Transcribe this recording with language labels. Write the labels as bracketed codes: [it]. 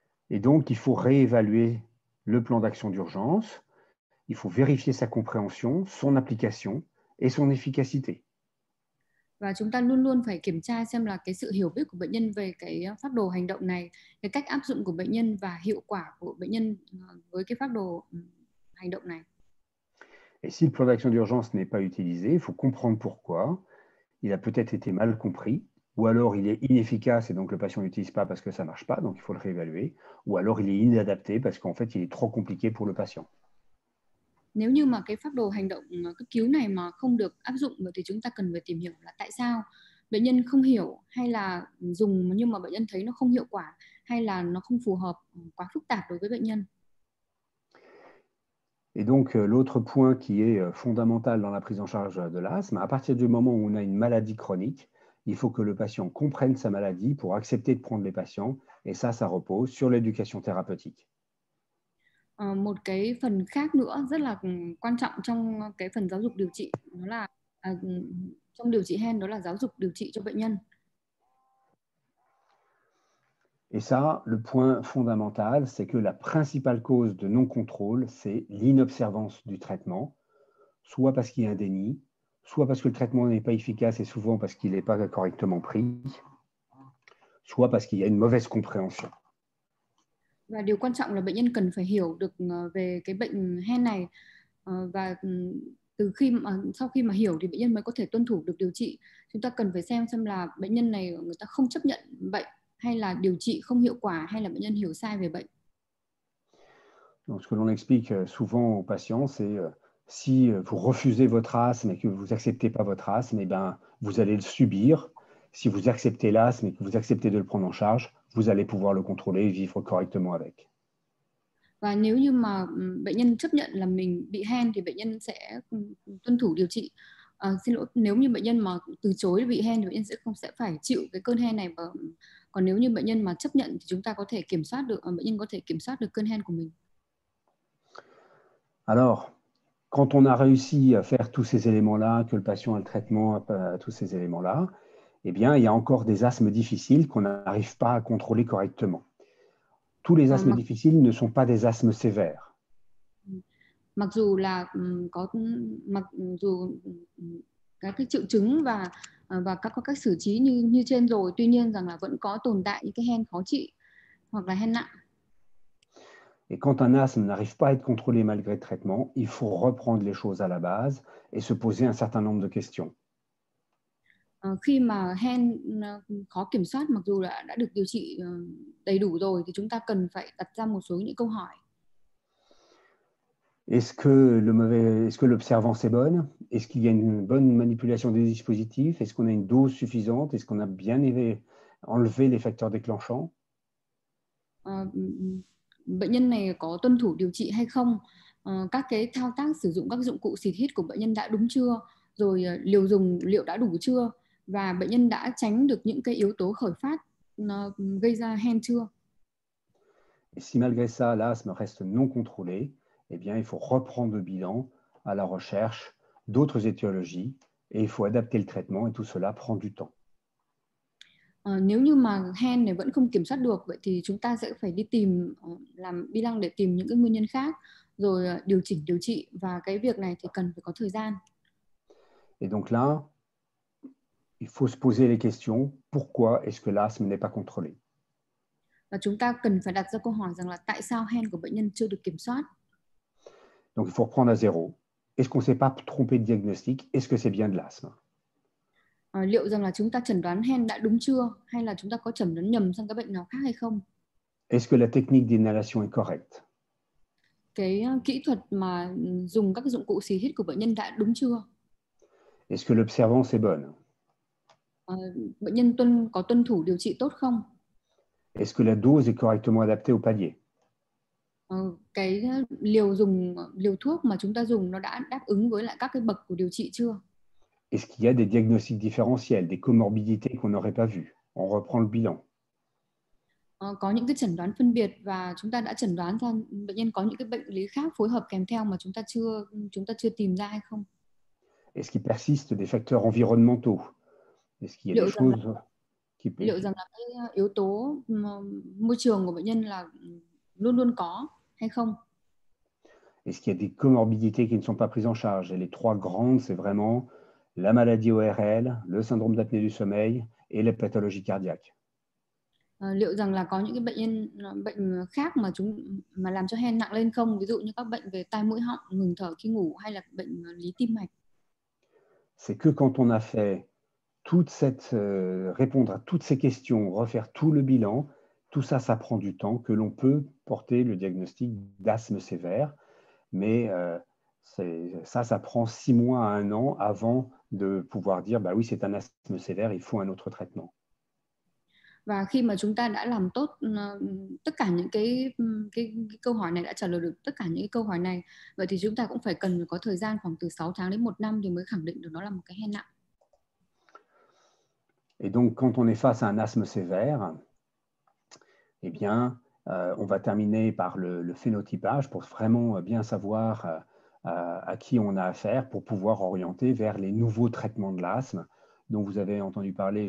[fr] Et donc il faut réévaluer le plan d'action d'urgence. Il faut vérifier sa compréhension, son application et son efficacité. [vi] Và chúng ta luôn luôn phải kiểm tra xem là cái sự hiểu biết của bệnh nhân về cái phác đồ hành động này, cái cách áp dụng của bệnh nhân và hiệu quả của bệnh nhân với cái phác đồ hành động này. [fr] Et si le plan d'action d'urgence n'est pas utilisé, il faut comprendre pourquoi. Il a peut-être été mal compris, ou alors il est inefficace et donc le patient n'utilise pas parce que ça ne marche pas, donc il faut le réévaluer, ou alors il est inadapté parce qu'en fait il est trop compliqué pour le patient. [vi] Nếu như mà cái phác đồ hành động cấp cứu này mà không được áp dụng thì chúng ta cần phải tìm hiểu là tại sao bệnh nhân không hiểu, hay là dùng nhưng mà bệnh nhân thấy nó không hiệu quả, hay là nó không phù hợp, quá phức tạp đối với bệnh nhân. [fr] Et donc l'autre point qui est fondamental dans la prise en charge de l'asthme, à partir du moment où on a une maladie chronique, il faut que le patient comprenne sa maladie pour accepter de prendre les patients, et ça, ça repose sur l'éducation thérapeutique. [vi] Một cái phần khác nữa rất là quan trọng trong cái phần giáo dục điều trị đó là trong điều trị hen, đó là giáo dục điều trị cho bệnh nhân. [fr] Et ça, le point fondamental, c'est que la principale cause de non-contrôle, c'est l'inobservance du traitement, soit parce qu'il y a un déni, soit parce que le traitement n'est pas efficace et souvent parce qu'il n'est pas correctement pris, soit parce qu'il y a une mauvaise compréhension. [vi] Và điều quan trọng là bệnh nhân cần phải hiểu được về cái bệnh hen này, và từ khi mà, sau khi mà hiểu thì bệnh nhân mới có thể tuân thủ được điều trị. Chúng ta cần phải xem là bệnh nhân này người ta không chấp nhận bệnh, hay là điều trị không hiệu quả, hay là bệnh nhân hiểu sai về bệnh. [fr] Donc, ce que l'on explique souvent aux patients, c'est si vous refusez votre asthme et que vous acceptez pas votre asthme, eh ben, vous allez le subir. Si vous acceptez l'asthme et que vous acceptez de le prendre en charge, vous allez pouvoir le contrôler et vivre correctement avec. [vi] Và nếu như mà bệnh nhân chấp nhận là mình bị hen thì bệnh nhân sẽ tuân thủ điều trị. À, xin lỗi, nếu như bệnh nhân mà từ chối bị hen thì bệnh nhân sẽ không sẽ phải chịu cái cơn hen này. Và còn nếu như bệnh nhân mà chấp nhận thì chúng ta có thể kiểm soát được, bệnh nhân có thể kiểm soát được cơn hen của mình. [fr] Alors, quand on a réussi à faire tous ces éléments-là, que le patient a le traitement, tous ces éléments-là, eh bien, il y a encore des asthmes difficiles qu'on n'arrive pas à contrôler correctement. Tous les asthmes difficiles ne sont pas des asthmes sévères. [vi] Mặc dù là có mặc dù các cái triệu chứng và các có cách xử trí như như trên rồi, tuy nhiên rằng là vẫn có tồn tại những cái hen khó trị hoặc là hen nặng. [fr] Et quand un asthme n'arrive pas à être contrôlé malgré le traitement, il faut reprendre les choses à la base et se poser un certain nombre de questions. [vi] Khi mà hen khó kiểm soát mặc dù là đã được điều trị đầy đủ rồi thì chúng ta cần phải đặt ra một số những câu hỏi. [fr] Est-ce que l'observance est bonne? Est-ce qu'il y a une bonne manipulation des dispositifs? Est-ce qu'on a une dose suffisante? Est-ce qu'on a bien enlevé les facteurs déclenchants? [vi] Bệnh nhân này có tuân thủ điều trị hay không? Các cái thao tác sử dụng các dụng cụ xịt hít của bệnh nhân đã đúng chưa? Rồi liều dùng liệu đã đủ chưa? Và bệnh nhân đã tránh được những cái yếu tố khởi phát gây ra hen chưa? [fr] Et si malgré ça, l'asthme reste non contrôlé, eh bien, il faut reprendre le bilan à la recherche d'autres étiologies et il faut adapter le traitement et tout cela prend du temps. [vi] Nếu như mà hen này vẫn không kiểm soát được, vậy thì chúng ta sẽ phải đi tìm, làm bilan để tìm những cái nguyên nhân khác, rồi điều trị. Và cái việc này thì cần phải có thời gian. [fr] Et donc là, il faut se poser les questions, pourquoi est-ce que l'asthme n'est pas contrôlé? [vi] Và chúng ta cần phải đặt ra câu hỏi rằng là tại sao hen của bệnh nhân chưa được kiểm soát? [fr] Donc, il faut reprendre à zéro. Est-ce qu'on ne s'est pas trompé de diagnostic? Est-ce que c'est bien de l'asthme? [vi] Liệu rằng là chúng ta chẩn đoán hen đã đúng chưa? Hay là chúng ta có chẩn đoán nhầm sang các bệnh nào khác hay không? [fr] Est-ce que la technique d'inhalation est correcte? [vi] Cái kỹ thuật mà dùng các dụng cụ xì hít của bệnh nhân đã đúng chưa? [fr] Est-ce que l'observance est bonne? [vi] Bệnh nhân có tuân thủ điều trị tốt không? [fr] Est-ce que la dose est correctement adaptée au palier? [vi] Cái liều thuốc mà chúng ta dùng nó đã đáp ứng với lại các cái bậc của điều trị chưa? [fr] Est-ce qu'il y a des diagnostics différentiels, des comorbidités qu'on n'aurait pas vues? On reprend le bilan. [vi] Có những cái chẩn đoán phân biệt và chúng ta đã chẩn đoán ra bệnh nhân có những cái bệnh lý khác phối hợp kèm theo mà chúng ta chưa tìm ra hay không? [fr] Est-ce qu'il persiste des facteurs environnementaux? Est-ce qu'il y a [vi] liệu [fr] des choses là, qui peuvent... [vi] Liệu rằng là cái yếu tố môi trường của bệnh nhân là luôn luôn có hay không? [fr] Est-ce qu'il y a des comorbidités qui ne sont pas prises en charge? Et les trois grandes, c'est vraiment la maladie ORL, le syndrome d'apnée du sommeil et les pathologies cardiaques. [vi] Liệu rằng là có những cái bệnh khác mà chúng mà làm cho hen nặng lên không? Ví dụ như các bệnh về tai mũi họng, ngừng thở khi ngủ hay là bệnh lý tim mạch. [fr] C'est que quand on a fait toute cette répondre à toutes ces questions, refaire tout le bilan, tout ça, ça prend du temps que l'on peut porter le diagnostic d'asthme sévère. Mais ça prend 6 mois à 1 an avant de pouvoir dire, bah oui, c'est un asthme sévère, il faut un autre traitement. [vi] Và khi mà chúng ta đã làm tốt tất cả những cái câu hỏi này, đã trả lời được tất cả những cái câu hỏi này, vậy thì chúng ta cũng phải cần có thời gian khoảng từ 6 tháng đến 1 năm thì mới khẳng định được nó là một cái hen nặng. [fr] Et donc, quand on est face à un asthme sévère, eh bien, on va terminer par le phénotypage pour vraiment bien savoir à qui on a affaire pour pouvoir orienter vers les nouveaux traitements de l'asthme dont vous avez entendu parler.